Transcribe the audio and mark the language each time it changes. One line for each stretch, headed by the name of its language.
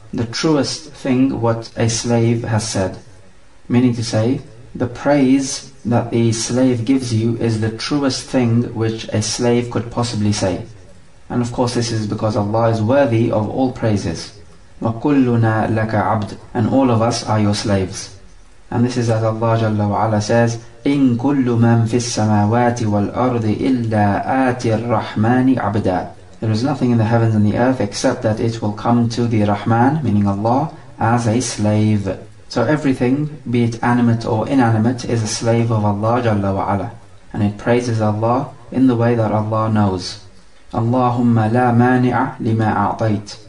English: The truest thing what a slave has said. Meaning to say, the praise that the slave gives you is the truest thing which a slave could possibly say. And of course this is because Allah is worthy of all praises.
Arabic: وَكُلُّنَا لَكَ عَبْدٌ.
English: And all of us are your slaves. And this is as Allah Jalla wa Ala says,
Arabic: إِن كُلُّ مَن فِي السَّمَاوَاتِ وَالْأَرْضِ إِلَّا آتِ الرَّحْمَنِ عَبْدًا.
English: There is nothing in the heavens and the earth except that it will come to the Rahman, meaning Allah, as a slave. So everything, be it animate or inanimate, is a slave of Allah Jalla wa Ala. And it praises Allah in the way that Allah knows.
Arabic: Allahumma la mani'a lima a'tayt.